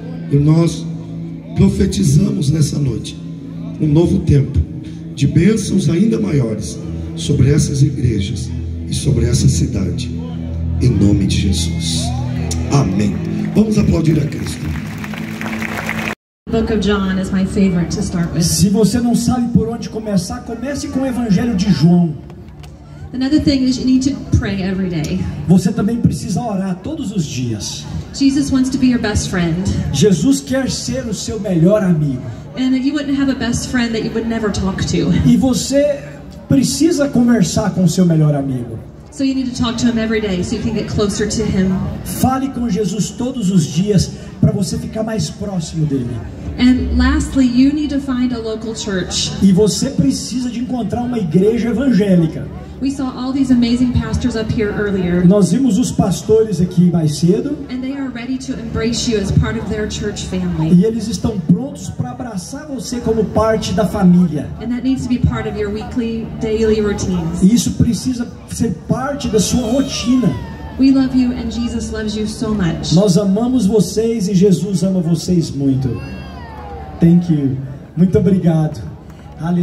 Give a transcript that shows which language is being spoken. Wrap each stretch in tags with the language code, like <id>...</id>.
<pt>E nós profetizamos nessa noite um novo tempo de bênçãos ainda maiores sobre essas igrejas e sobre essa cidade, em nome de Jesus. Amém. Vamos aplaudir a Cristo.</pt> <en>Book of John is my favorite to start with.</en> <pt>Se você não sabe por onde começar, comece com o Evangelho de João.</pt> <en>Another thing is you need to pray every day.</en> <pt>Você também precisa orar todos os dias.</pt> <en>Jesus wants to be your best friend.</en> <pt>Jesus quer ser o seu melhor amigo.</pt> <en>And you wouldn't have a best friend that you would never talk to.</en> <pt>E você precisa conversar com o seu melhor amigo.</pt> <en>So you need to talk to him every day so you can get closer to him.</en> <pt>Fale com Jesus todos os dias para você ficar mais próximo dele.</pt> <en>And lastly, you need to find a local church.</en> <pt>E você precisa de encontrar uma igreja evangélica.</pt> <en>We saw all these amazing pastors up here earlier.</en> <pt>Nós vimos os pastores aqui mais cedo.</pt> <en>And they are ready to embrace you as part of their church family.</en> <pt>E eles estão prontos para abraçar você como parte da família.</pt> <en>And that needs to be part of your weekly, daily routines.</en> <pt>E isso precisa ser parte da sua rotina.</pt> <en>We love you and Jesus loves you so much.</en> <pt>Nós amamos vocês e Jesus ama vocês muito.</pt> <en>Thank you.</en> <pt>Muito obrigado. Aleluia.</pt>